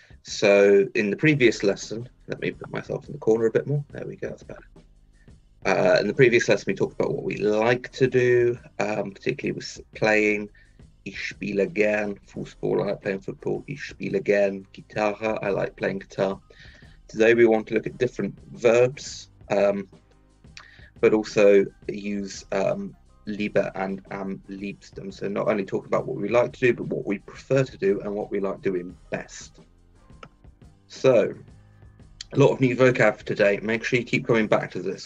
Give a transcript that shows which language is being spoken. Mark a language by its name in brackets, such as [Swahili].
[English] So, in the previous lesson, let me put myself in the corner a bit more. There we go, that's better. In the previous lesson, we talked about what we like to do, particularly with playing. [German] Ich spiele gern Fußball, [English] I like playing football. [German] Ich spiele gern Gitarre, [English] I like playing guitar. Today, we want to look at different verbs, but also use lieber and am liebsten. So, not only talk about what we like to do, but what we prefer to do and what we like doing best. So, a lot of new vocab for today. Make sure you keep coming back to this.